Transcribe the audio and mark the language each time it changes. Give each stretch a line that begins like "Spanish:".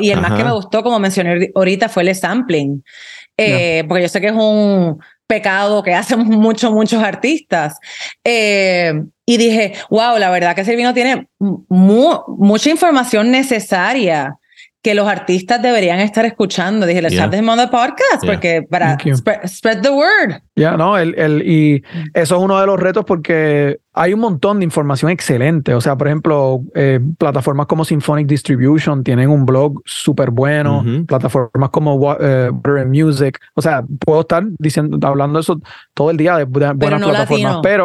Spanish: Y el más que me gustó, como mencioné ahorita, fue el sampling. Porque yo sé que es un pecado que hacen muchos artistas. Y dije, wow, la verdad que Silvino tiene mucha información necesaria que los artistas deberían estar escuchando. Dije,
English: let's have them on the podcast,
Spanish: porque para
English: spread the word.
Spanish: Y eso es uno de los retos, porque hay un montón de información excelente. O sea, por ejemplo, plataformas como Symphonic Distribution tienen un blog súper bueno. Uh-huh. Plataformas como Water and Music. O sea, puedo estar diciendo, hablando eso todo el día de buenas plataformas.